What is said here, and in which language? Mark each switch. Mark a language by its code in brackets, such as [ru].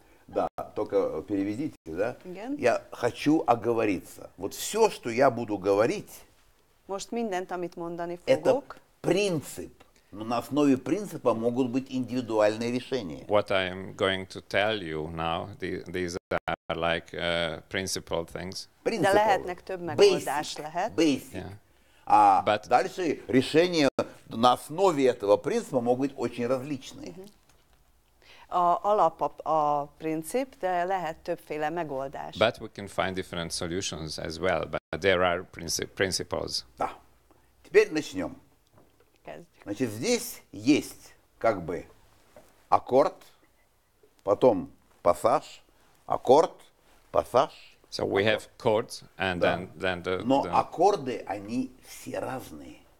[ru] Да, только переведите, да? [en] Again? [ru] Я хочу оговориться. Вот все, что я буду говорить, [hu] может, mindent, amit mondani fogok? [ru] Это принцип. Но на основе принципа могут быть индивидуальные решения. [en] What I am going to tell you now, these are like principal things. [hu] De lehetnek több megoldás, lehet. [en] Basic. Yeah. [ru] А but дальше решения на основе этого принципа могут быть очень различные. [hu] Alap a princíp, de lehet többféle megoldás. [en] But we can find different solutions as well, but there are principles. [ru] Да. Теперь начнем. Значит, здесь есть как бы аккорд, потом пассаж, аккорд, пассаж. [en] So we have chords and then the. [ru] Но аккорды они все разные.